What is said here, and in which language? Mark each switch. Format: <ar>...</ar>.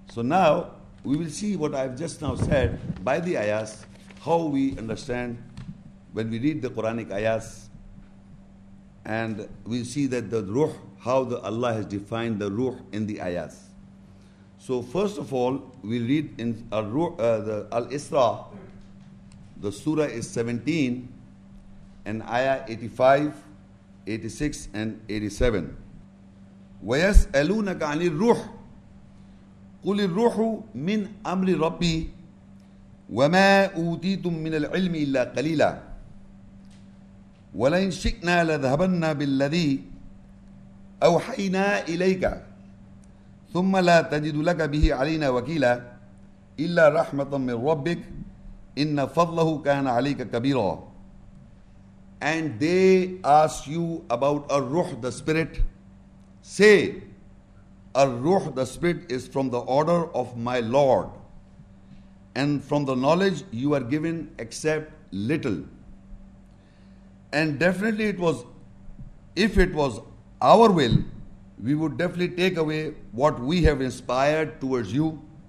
<en>So now we will see what I've just now said by the ayats, how we understand when we read the Quranic ayats, and we'll see that the ruh, how the Allah has defined the ruh in the ayats. So first of all, we read in the Al-Isra, the surah is 17, and ayah 85, 86, and 87.</en> <ar>وَيَسْأَلُونَكَ عَنِ الرُّحِ قُلِ الرُّحُ مِنْ أَمْرِ رَبِّي وَمَا أُوْتِيتُمْ مِنَ الْعِلْمِ إِلَّا قَلِيلًا وَلَئِنْ شِئْنَا لَذَهَبَنَّا بِالَّذِي أَوْحَيْنَا إِلَيْكَ ثم لا تجد لك به علينا وكيلا إلا رحمة من ربك إن فضله كان عليك كبيرا.</ar> <en>And they ask you about الروح, the spirit. Say, الروح, the spirit, is from the order of my Lord, and from the knowledge you are given except little. And definitely if it was our will, we would definitely take away what we have inspired towards you.</en>